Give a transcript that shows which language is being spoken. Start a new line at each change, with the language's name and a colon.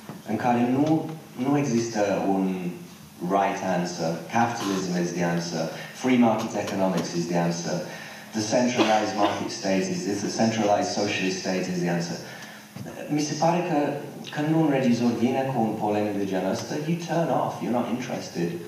Romanian: În care nu există un
English: right answer. Capitalism is the answer. Free market economics is the answer. The centralized market state is the centralized socialist state is the answer.
Romanian: Mi se pare că când un regizor vine cu un polemic de genul ăsta,
English: you turn off, you're not interested.